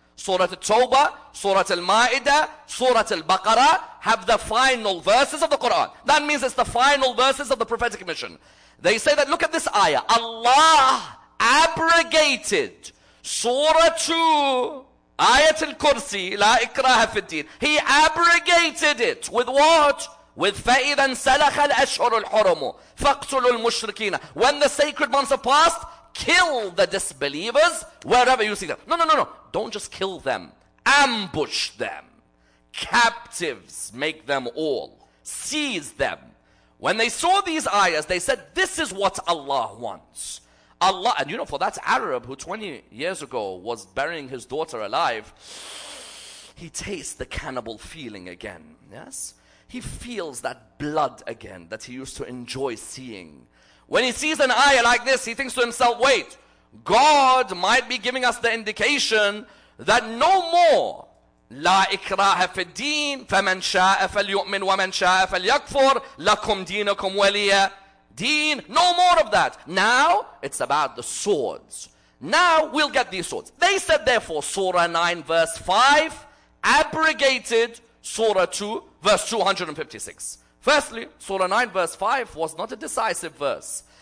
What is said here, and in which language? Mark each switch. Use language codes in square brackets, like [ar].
[en] Surah At-Tawbah, Surah Al-Ma'idah, Surah Al-Baqarah have the final verses of the Quran. That means it's the final verses of the prophetic mission. They say that, look at this ayah. Allah abrogated Surah 2, Ayat al-Kursi, La Ikraha Fiddin. He abrogated it with what? With [ar] فَإِذَنْ سَلَخَ الْأَشْهُرُ الْحُرُمُ فَاقْتُلُوا الْمُشْرِكِينَ. [en] When the sacred months have passed, kill the disbelievers wherever you see them. No. Don't just kill them. Ambush them. Captives make them all. Seize them. When they saw these ayahs, they said, this is what Allah wants. Allah, and you know, for that Arab who 20 years ago was burying his daughter alive, he tastes the cannibal feeling again, yes? He feels that blood again that he used to enjoy seeing. When he sees an ayah like this, he thinks to himself, wait, God might be giving us the indication that no more. [ar] لا إكراه في الدين فمن شاء فليؤمن ومن شاء فليكفر لكم دينكم وليا. [en] Deen, no more of that. Now, it's about the swords. Now, we'll get these swords. They said, therefore, Surah 9, verse 5, abrogated Surah 2, verse 256. Firstly, Surah 9, verse 5 was not a decisive verse.